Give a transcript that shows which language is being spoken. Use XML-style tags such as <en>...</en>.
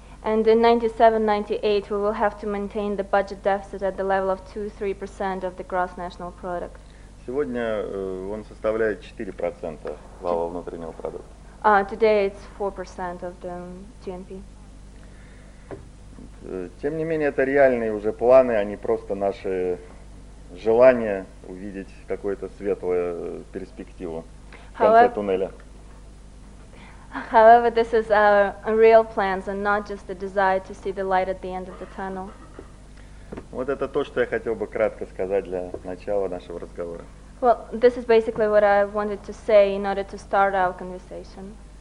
<en>And in 97-98 we will have to maintain the budget deficit at the level of 2-3% of the gross national product.</en> <ru>Сегодня он составляет 4% валового внутреннего продукта.</ru> <en>Today it's 4% of the GNP.</en> <ru>Тем не менее, это реальные уже планы, а не просто наши желание увидеть какую-то светлую перспективу в конце туннеля.</ru> <en>However, this is our real plans and not just the desire to see the light at the end of the tunnel.</en> <ru>Вот это то, что я хотел бы кратко сказать для начала нашего разговора.</ru> <en>Well, this is basically what I wanted to say in order to start our conversation.</en>